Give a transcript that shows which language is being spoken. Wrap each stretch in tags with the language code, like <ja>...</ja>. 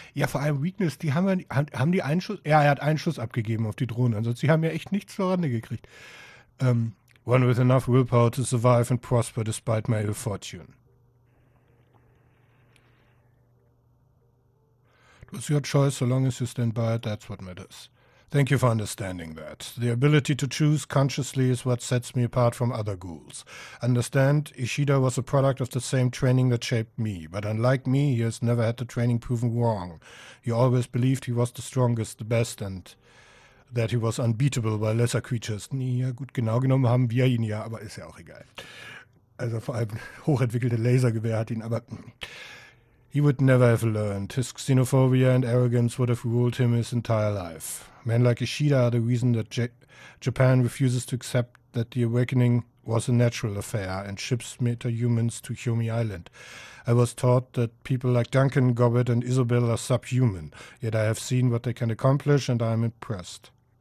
<de>Ja, vor allem Weakness, die haben ja, haben die einen Schuss? Ja, er hat einen Schuss abgegeben auf die Drohne. Ansonsten, sie haben ja echt nichts vorhanden gekriegt.</de> <en>One with enough willpower to survive and prosper despite my ill fortune. It was your choice so long as you stand by it, that's what matters. Thank you for understanding that. The ability to choose consciously is what sets me apart from other ghouls. Understand, Ishida was a product of the same training that shaped me, but unlike me, he has never had the training proven wrong. He always believed he was the strongest, the best, and that he was unbeatable by lesser creatures.</en> <de>Ja, gut, genau genommen haben wir ihn ja, aber ist ja auch egal. Also vor allem hochentwickelte Lasergewehr hat ihn, aber...</de> <en>He would never have learned. His xenophobia and arrogance would have ruled him his entire life. Men like Ishida are the reason that Japan refuses to accept that the awakening was a natural affair and ships metahumans to Hyomi Island. I was taught that people like Duncan, Gobbett and Isabel are subhuman, yet I have seen what they can accomplish and I am impressed.</en>